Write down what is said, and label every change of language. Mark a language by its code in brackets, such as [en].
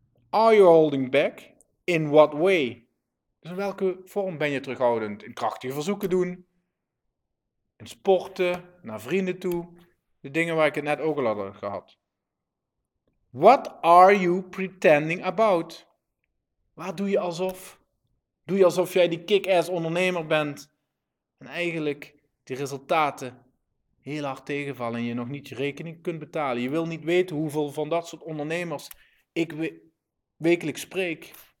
[en] Are you holding back? In what way? [nl] Dus in welke vorm ben je terughoudend? In krachtige verzoeken doen? In sporten? Naar vrienden toe? De dingen waar ik het net ook al had gehad. [en] What are you pretending about? [nl] Waar doe je alsof? Doe je alsof jij die kick-ass ondernemer bent en eigenlijk die resultaten heel hard tegenvallen en je nog niet je rekening kunt betalen. Je wil niet weten hoeveel van dat soort ondernemers ik wekelijks spreek.